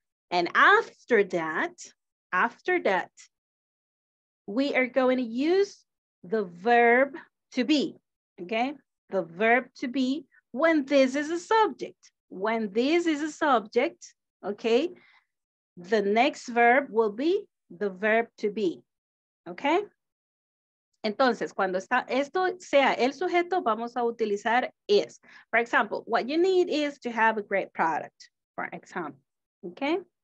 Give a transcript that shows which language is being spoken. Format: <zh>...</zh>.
<en>And after that, we are going to use the verb to be, okay? The verb to be when this is a subject. When this is a subject, okay? The next verb will be the verb to be, okay?</en> <es>Entonces, cuando está esto sea el sujeto, vamos a utilizar is.</es> <en>For example, what you need is to have a great product, for example, okay?</en>